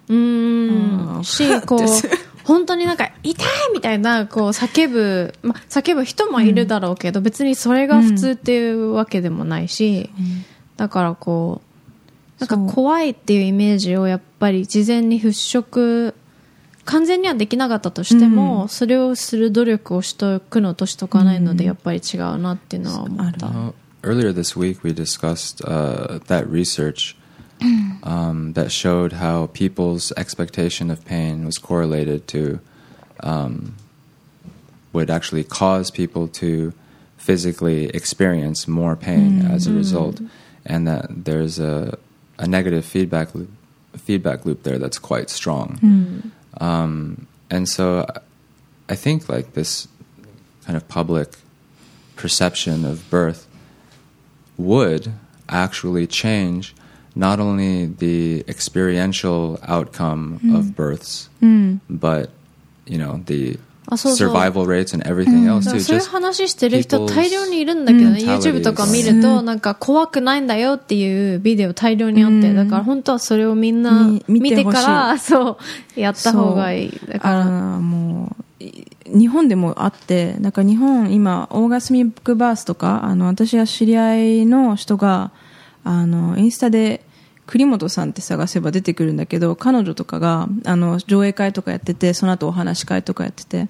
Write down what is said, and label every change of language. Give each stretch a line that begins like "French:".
Japanese: うーん、しこう本当になんか痛いみたいなこう叫ぶ、ま、叫ぶ人もいるだろうけど、うん、別にそれが普通っていうわけでもないし、うん、だからこうなんか怖いっていうイメージをやっぱり事前に払拭、完全にはできなかったとしても、うん、それをする努力をしとくのとしとかないので、うん、やっぱり違うなっていうのは思った。
English: Earlier this week we discussed that research that showed how people's expectation of pain was correlated to would actually cause people to physically experience more pain、mm-hmm. as a result, and that there's a negative feedback loop there that's quite strong、 mm-hmm. And so I think like this kind of public perception of birthwould actually change not only the experiential outcome、mm. of births、 mm. but you know the survival rates and everything、mm. else too.
Japanese: そういう話してる人大量にいるんだけど、ね、YouTube とか見るとなんか怖くないんだよっていうビデオ大量にあって、だから本当はそれをみんな見てから、そうやった方がいい。だからもう日本でもあって、なんか日本今オーガスミックバースとか、私が知り合いの人がインスタで栗本さんって探せば出てくるんだけど、彼女とかが上映会とかやってて、その後お話し会とかやってて、